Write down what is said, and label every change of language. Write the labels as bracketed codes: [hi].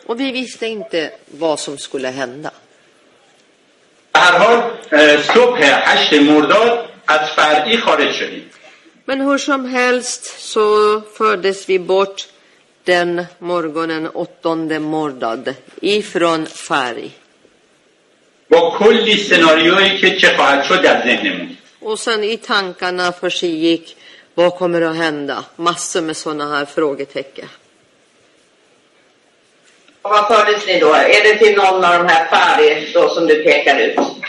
[sv] و vi visste inte vad som skulle hända. [fa] هر حال صبح 8 مرداد از فرعی خارج شدیم. [sv] Men hur som helst så fördes vi bort den morgonen 8 مرداد ifrån فرعی. [fa] با کلی سناریویی که چه خواهد شد در ذهنمون. [sv] Och sen i tankarna försiggick vad kommer att hända. Massor med såna här frågetecken. Och vad fördes ni då? Är det till någon av de här färger som du pekar ut?